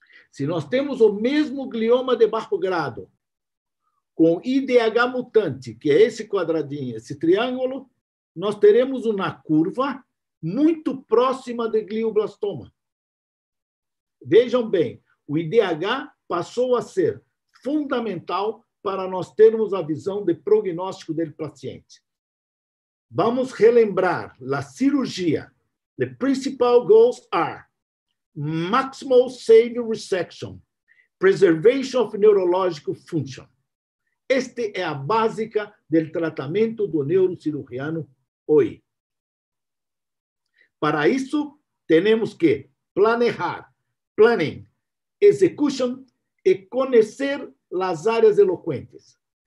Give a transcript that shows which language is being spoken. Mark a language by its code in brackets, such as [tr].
[pt] Se nós temos o mesmo glioma de baixo grado com IDH mutante, que é esse quadradinho, esse triângulo, nós teremos uma curva muito próxima de glioblastoma. Vejam bem, o IDH passou a ser fundamental para nós termos a visão de prognóstico do paciente. Vamos relembrar a cirurgia. [en] The principal goals are maximal saving resection, preservation of neurological function. [pt] Esta é a básica do tratamento do neurocirurgiano hoje. Para isso, temos que planejar, [en] planning, execution [pt] e conhecer as áreas eloquentes.